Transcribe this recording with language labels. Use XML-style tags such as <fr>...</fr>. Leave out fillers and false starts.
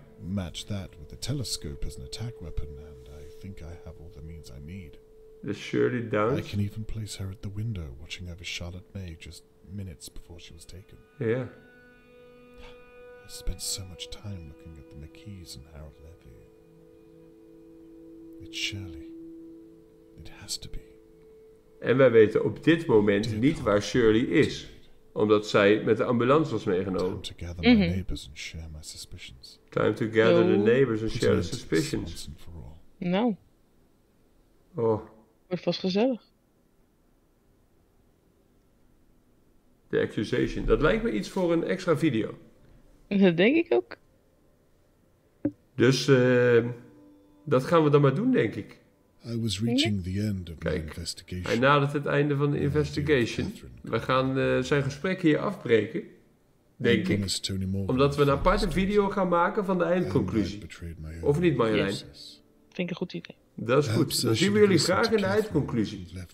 <en>Match that with a telescope as an attack weapon, and I think I have all the means I need. This surely does. I can even place her at the window, watching over Charlotte May just minutes before she was taken. Yeah. I spent so much time looking at the McKees and Harold Levy. It's Shirley. It has to be.</en> <nl>En wij weten op dit moment niet waar Shirley is, omdat zij met de ambulance was meegenomen.</nl> <en>Time to gather the neighbors and share my suspicions. Time to gather the neighbors and share the suspicions.</en> <nl>Nou. Oh. Wordt vast gezellig.</nl> <en>The accusation.</en> <nl>Dat lijkt me iets voor een extra video. Dat denk ik ook. Dus dat gaan we dan maar doen, denk ik.</nl> <en>I was reaching the end of my investigation.</en> <nl>Hij nadert het einde van de investigation. We gaan zijn gesprek hier afbreken, denk ik. Omdat we een aparte video gaan maken van de eindconclusie. Of niet, Marjolein? Vind ik een goed idee. Dat is goed. Dan zien we jullie graag in de eindconclusie.</nl>